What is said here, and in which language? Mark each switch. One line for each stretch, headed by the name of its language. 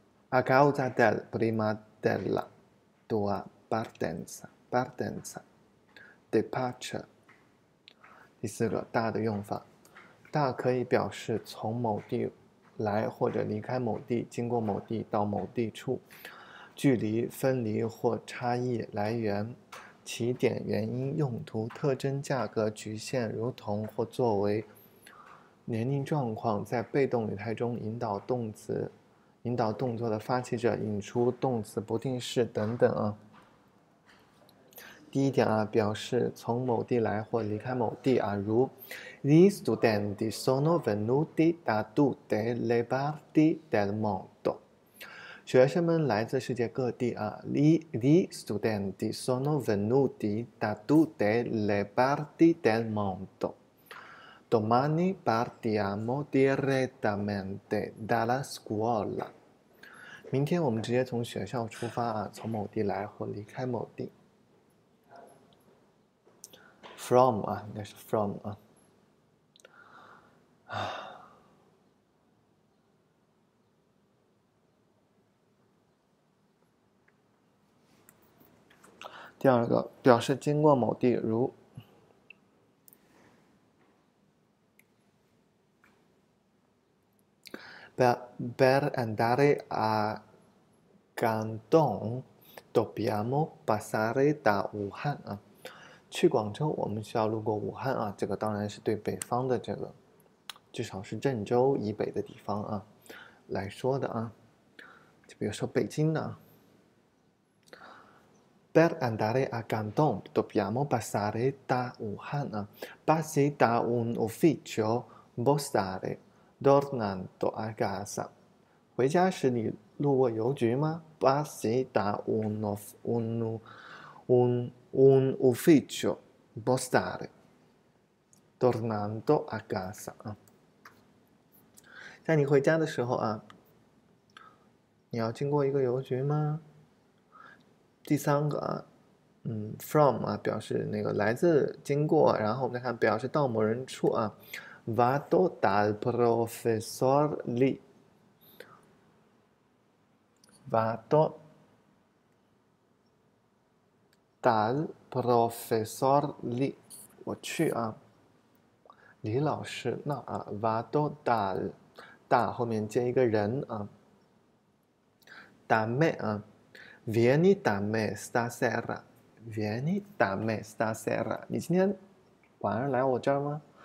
Italian: A causa del prima della tua partenza, departure。
Chinese: 第四个大的用法，大可以表示从某地来或者离开某地，经过某地到某地处，距离、分离或差异、来源、起点、原因、用途、特征、价格、局限、如同或作为、年龄状况，在被动语态中引导动词。引导动作的发起者，引出动词不定式等等啊。第一点啊，表示从某地来或离开某地啊，如
Italian: gli studenti sono venuti da tutte le parti del mondo。
Chinese: 学生们来自世界各地啊，
Italian: gli studenti sono venuti da tutte le parti del mondo。 Domani partiamo direttamente dalla scuola。
Chinese: 明天我们直接从学校出发啊，从某地来或离开某地。 From 啊，应该是 from 第二个，表示经过某地，如。
Italian: Per andare a Guangdong, dobbiamo passare da Wuhan
Chinese: 啊，去广州我们需要路过武汉啊，这个当然是对北方的这个，至少是郑州以北的地方啊来说的啊，就比如说北京呢。
Italian: Per andare a Guangdong, dobbiamo passare da Wuhan 啊，passi da un ufficio postale, tornando a casa。
Chinese: 回家时你路过邮局吗？
Italian: Passi da un ufficio postale, tornando a casa 啊。
Chinese: 在你回家的时候啊，你要经过一个邮局吗？第三个啊，from 啊，表示那个来自、经过，然后我们再看表示到某人处啊，
Italian: vado dal professor lì。 Vado dal professor lì，
Chinese: 我去啊，李老师那啊。
Italian: Vado da
Chinese: 后面接一个人啊，
Italian: da me 啊，vieni da me stasera，vieni da me stasera，
Chinese: 你今天晚上来我这儿吗？